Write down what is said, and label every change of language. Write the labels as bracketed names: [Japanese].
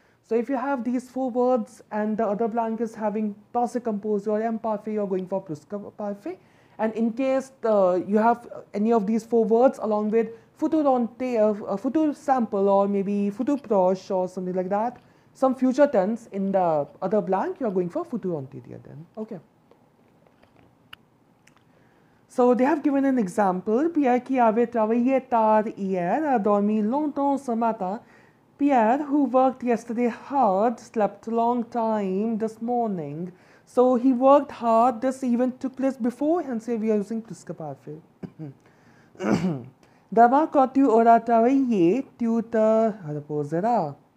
[English] So, if you have these four words and the other blank is having passé composé or imparfait, you are going for plus que parfait. And in case you have any of these four words along with futur anterior, futur sample, or maybe futur proche or something like that, some future tense in the other blank, you are going for futur anterior then. Okay. So, they have given an example. [French] Pierre qui avait travaillé tard hier a dormi longtemps ce matin. [English] Pierre, who worked yesterday hard, slept long time this morning. So, he worked hard. This event took place before, hence here we are using plus que parfait. [French] Dava quand tu auras travaillé, tu te reposeras.